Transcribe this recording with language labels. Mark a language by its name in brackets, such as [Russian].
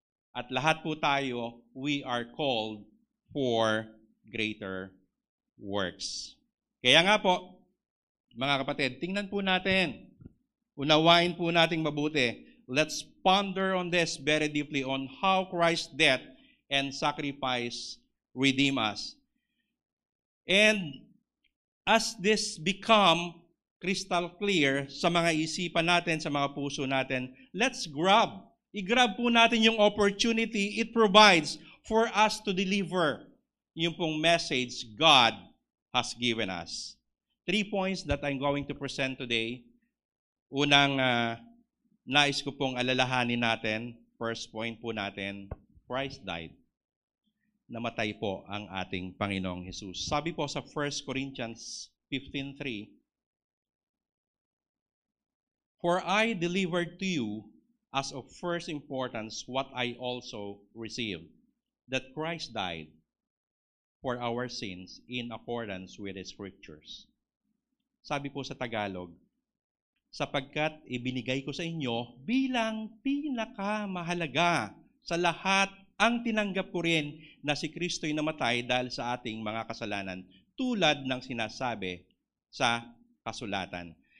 [Filipino] At lahat po tayo, [English] we are called for greater works. [Filipino] Kaya nga po, mga kapatid, tingnan po natin. Unawain po nating mabuti. [English] Let's ponder on this very deeply on how Christ's death and sacrifice redeem us. And as this become crystal clear [Filipino] sa mga isipan natin, sa mga puso natin, [English] let's grab. [Filipino] I-grab po natin yung [English] opportunity it provides for us to deliver [Filipino] yung pong [English] message God has given us. 3 points that I'm going to present today. [Filipino] Unang nais ko pong alalahanin natin. [English] First point po natin, Christ died. [Filipino] Namatay po ang ating Panginoong Jesus. Sabi po sa [English] 1 Corinthians 15:3, "For I delivered to you as of first importance what I also received, that Christ died for our sins in accordance with the Scriptures." [Filipino] Sabi po sa Tagalog, "Sapagkat ibinigay ko sa inyo bilang pinakamahalaga sa lahat ang tinanggap ko rin na si Kristo'y namatay dahil sa ating mga kasalanan tulad ng sinasabi sa kasulatan."